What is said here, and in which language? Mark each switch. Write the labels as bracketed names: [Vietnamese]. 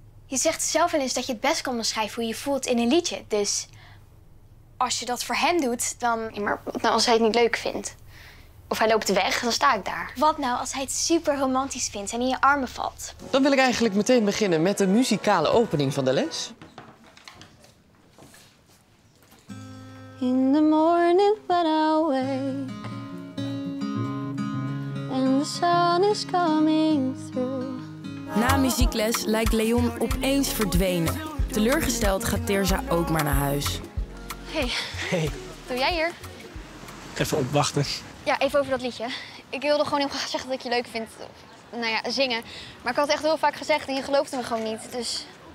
[Dutch] Je zegt zelf wel eens dat je het best kan beschrijven hoe je voelt in een liedje. Dus als je dat voor hem doet, dan... Ja, maar wat nou als hij het niet leuk vindt? Of hij loopt weg, dan sta ik daar. Wat nou als hij het super romantisch vindt en in je armen valt? Dan wil ik eigenlijk meteen beginnen met de muzikale opening van de les. [English] In the morning when I wake and the sun is coming through. [Dutch] Na muziekles lijkt Leon opeens verdwenen. Teleurgesteld gaat Tirza ook maar naar huis. Hey. Wat doe jij hier? Even opwachten. Ja, even over dat liedje. Ik wilde gewoon heel graag zeggen dat ik je leuk vind. Nou ja, zingen. Maar ik had echt heel vaak gezegd en je geloofde me gewoon niet, dus...